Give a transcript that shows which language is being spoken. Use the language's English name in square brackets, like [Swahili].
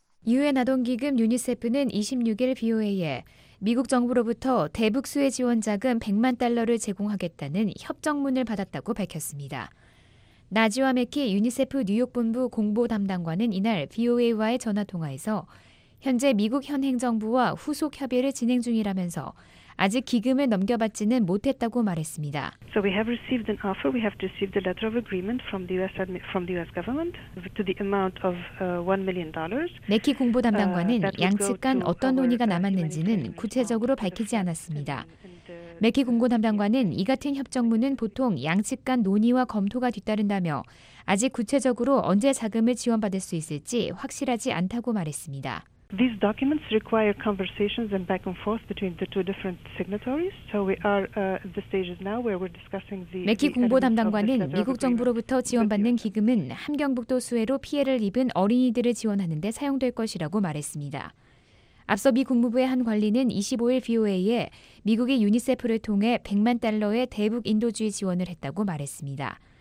[Korean] UN 아동기금 유니세프는 26일 VOA에 미국 정부로부터 대북 수혜 지원자금 100만 달러를 제공하겠다는 협정문을 받았다고 밝혔습니다. 나지와 맥키 유니세프 뉴욕 본부 공보 담당관은 이날 VOA와의 전화통화에서 현재 미국 현 행정부와 후속 협의를 진행 중이라면서 아직 기금을 넘겨받지는 못했다고 말했습니다. [English] So we have received an offer. We have received a letter of agreement from the US government to the amount of $1 million. [Korean] 맥키 공보 담당관은 양측 간 어떤 논의가 남았는지는 구체적으로 밝히지 않았습니다. 맥키 공보 담당관은 이 같은 협정문은 보통 양측 간 논의와 검토가 뒤따른다며 아직 구체적으로 언제 자금을 지원받을 수 있을지 확실하지 않다고 말했습니다. [English] These documents require conversations and back and forth between the two different signatories. So we are at the stages now where we're discussing the. [Korean] 맥키 공보 담당관은 미국 정부로부터 지원받는 기금은 함경북도 수해로 피해를 입은 어린이들을 지원하는 데 사용될 것이라고 말했습니다. 앞서 미 국무부의 한 관리는 25일 VOA에 미국이 유니세프를 통해 100만 달러의 대북 인도주의 지원을 했다고 말했습니다.